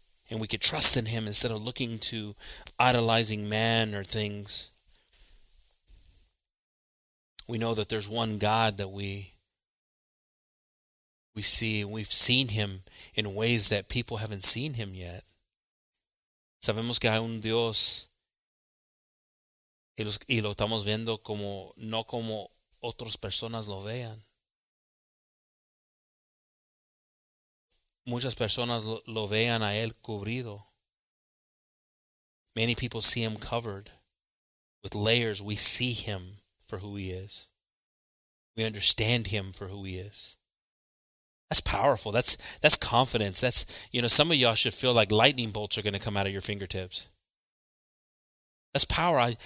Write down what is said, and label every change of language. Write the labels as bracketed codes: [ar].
[en] And we could trust in him instead of looking to idolizing man or things. We know that there's one God that we see and we've seen him in ways that people haven't seen him yet. [es] Sabemos que hay un Dios. Y lo estamos viendo como no como otras personas lo vean. Muchas personas lo vean a él cubrido. [en] Many people see him covered with layers. We see him for who he is. We understand him for who he is. That's powerful. That's confidence. That's, you know, some of y'all should feel like lightning bolts are going to come out of your fingertips. That's power.